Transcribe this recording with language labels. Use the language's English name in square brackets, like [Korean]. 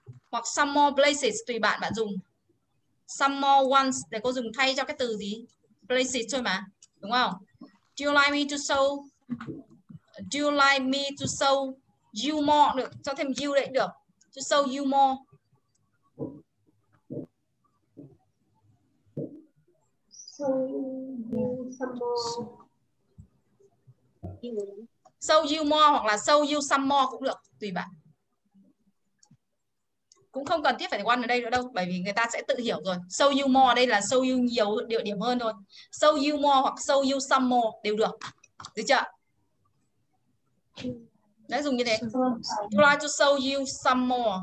[Vietnamese] Hoặc [English] some more places, [Vietnamese] tùy bạn dùng. [English] Some more ones, [Vietnamese] để cô dùng thay cho cái từ gì? Places thôi mà, đúng không? [English] Do you like me to show? Do you like me to show you more? [Vietnamese] Được, cho thêm you đấy, được. [English] To show you more. Show you some more. Show you more [Vietnamese] hoặc là [English] show you some more [Vietnamese] cũng được, tùy bạn. Cũng không cần thiết phải quan ở đây nữa đâu, bởi vì người ta sẽ tự hiểu rồi. [English] Show you more [Vietnamese] đây là [English] show you [Vietnamese] nhiều địa điểm hơn thôi. [English] Show you more [Vietnamese] hoặc [English] show you some more [Vietnamese] đều được. Được chưa? Đấy, dùng như thế. [English] Do you like to show you some more?